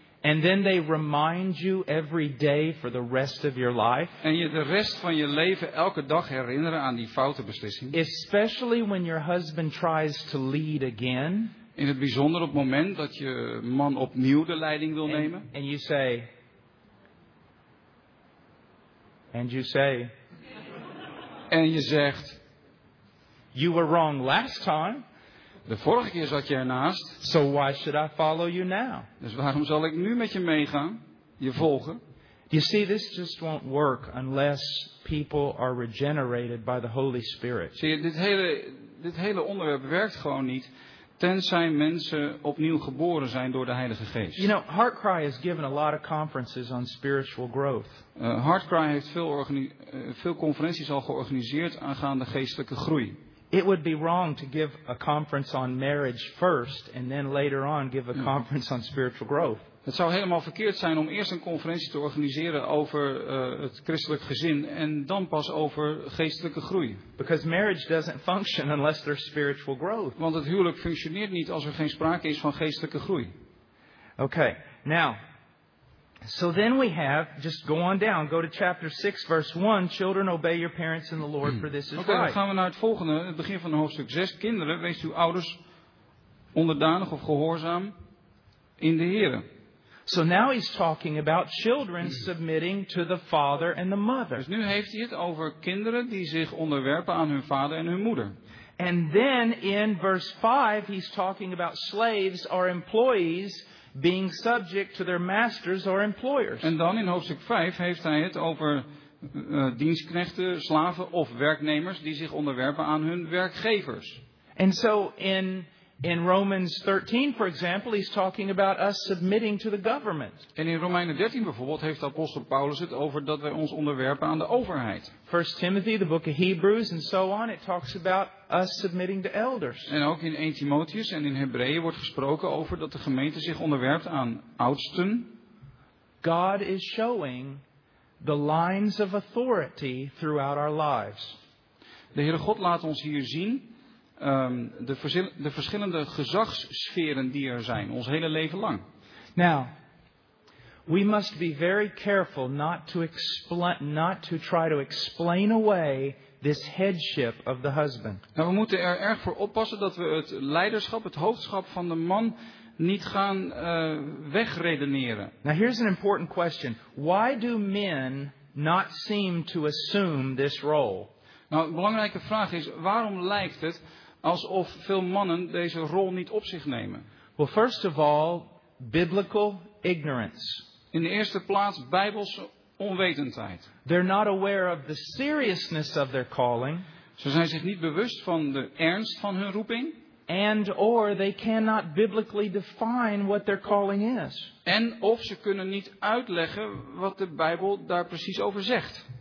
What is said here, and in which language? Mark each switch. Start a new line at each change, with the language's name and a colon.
English: And then they remind you every day for the rest of your life.
Dutch: En je de rest van je leven elke dag herinneren aan die foute beslissing.
English: Especially when your husband tries to lead again.
Dutch: In het bijzonder op het moment dat je man opnieuw de leiding wil nemen.
English: And you say. And you say.
Dutch: En je zegt.
English: You were wrong last time.
Dutch: De vorige keer zat je ernaast.
English: So why should I follow you now?
Dutch: Dus waarom zal ik nu met je meegaan? Je volgen?
English: You see, this just won't work unless people are regenerated by the Holy Spirit.
Dutch: Zie je, dit hele onderwerp werkt gewoon niet. Tenzij mensen opnieuw geboren zijn door de Heilige Geest.
English: You know, Heartcry has given a lot of conferences on spiritual growth.
Dutch: Heartcry heeft veel conferenties al georganiseerd aangaande geestelijke groei.
English: It would be wrong to give a conference on marriage first and then later on give a conference on spiritual growth.
Dutch: Het zou helemaal verkeerd zijn om eerst een conferentie te organiseren over het christelijk gezin en dan pas over geestelijke groei.
English: Because marriage doesn't function unless there's spiritual growth.
Dutch: Want het huwelijk functioneert niet als er geen sprake is van geestelijke groei.
English: Okay. Now, so then we have, just go on down, go to chapter 6, verse 1. Children, obey your parents in the Lord, for this is right.
Dutch: Oké, dan gaan we naar het volgende, het begin van hoofdstuk 6. Kinderen, wees uw ouders onderdanig of gehoorzaam in de Heer.
English: So now he's talking about children submitting to the father and the mother.
Dutch: Dus nu heeft hij het over kinderen die zich onderwerpen aan hun vader en hun moeder.
English: And then in verse 5, he's talking about slaves or employees being subject to their masters or employers.
Dutch: En dan in hoofdstuk 5 heeft hij het over dienstknechten, slaven of werknemers die zich onderwerpen aan hun werkgevers.
English: And so in Romans 13 for example, he's talking about us submitting to the government.
Dutch: En in Romeinen 13 bijvoorbeeld heeft de apostel Paulus het over dat wij ons onderwerpen aan de overheid.
English: 1 Timothy, the book of Hebrews and so on, it talks about us submitting to elders.
Dutch: En ook in 1 Timotheus en in Hebreeën wordt gesproken over dat de gemeente zich onderwerpt aan oudsten.
English: God is showing the lines of authority throughout our lives.
Dutch: De Heere God laat ons hier zien de verschillende gezagssferen die er zijn, ons hele leven lang.
English: Now, we must be very careful not to try to explain away this headship of the husband.
Dutch: Nou, we moeten er erg voor oppassen dat we het leiderschap, het hoofdschap van de man niet gaan wegredeneren.
English: Now, here's an important question. Why do men not seem to assume this role?
Dutch: Nou, een belangrijke vraag is, waarom lijkt het alsof veel mannen deze rol niet op zich nemen?
English: Well, first of all, biblical ignorance.
Dutch: In de eerste plaats Bijbelse onwetendheid.
English: They're not aware of the seriousness of their calling.
Dutch: Ze zijn zich niet bewust van de ernst van hun roeping.
English: And or they cannot biblically define what their calling is.
Dutch: En of ze kunnen niet uitleggen wat de Bijbel daar precies over zegt.